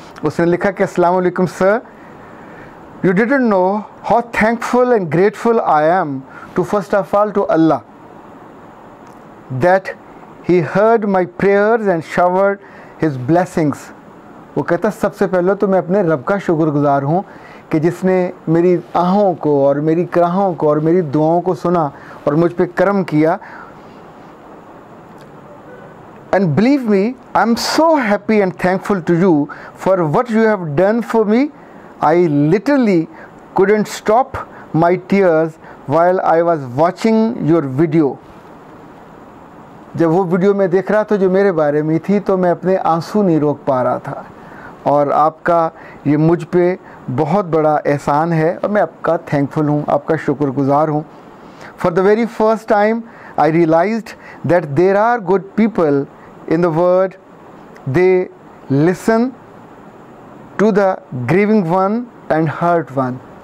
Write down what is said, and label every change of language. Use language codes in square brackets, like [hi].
[hi] उसने लिखा कि [en] अस्सलाम वालेकुम sir, you didn't know how thankful and grateful I am to first of all to Allah that He heard my prayers and showered his blessings. [hi] वो कहता, सबसे पहले तो मैं अपने रब का शुक्रगुजार हूँ कि जिसने मेरी आहों को और मेरी क्राहों को और मेरी दुआओं को सुना और मुझ पर कर्म किया। [en] And believe me, I'm so happy and thankful to you for what you have done for me. I literally couldn't stop my tears while I was watching your video. [hi] जब वो वीडियो मैं देख रहा था जो मेरे बारे में थी, तो मैं अपने आंसू नहीं रोक पा रहा था, और आपका ये मुझ पे बहुत बड़ा एहसान है और मैं आपका थैंकफुल हूँ, आपका शुक्रगुजार हूँ। [en] For the very first time I realised that there are good people in the world, they listen to the grieving one and hurt one.